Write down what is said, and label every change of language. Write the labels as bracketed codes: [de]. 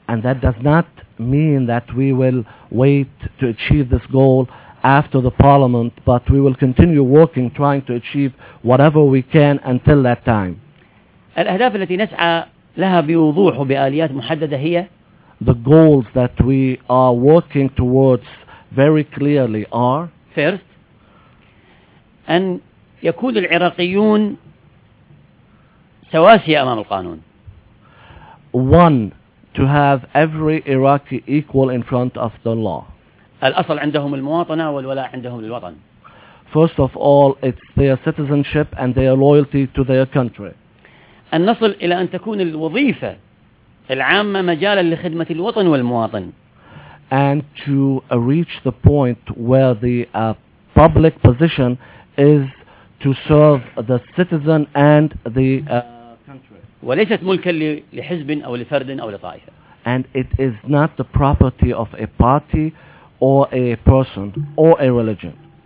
[en] And that does not mean that we will wait to achieve this goal after the parliament, but we will continue working, trying to achieve whatever we can until that time. [ar] الأهداف التي نسعى لها بوضوح وبآليات محددة هي [en] the goals that we are working towards very clearly are [ar] first أن يكون العراقيون سواسية أمام القانون. [en] One, to have every Iraqi equal in front of the law. [ar] الأصل عندهم المواطنة والولاء عندهم للوطن. [en] First of all, it's their citizenship and their loyalty to their country. [ar] أن نصل إلى أن تكون الوظيفة العامة مجالا لخدمة الوطن والمواطن. [en] And to reach the point where the public position is to serve the citizen and the country. [ar] وليست ملكا لحزب أو لفرد أو لطائفة. [en] And it is not the property of a party or a person or a religion.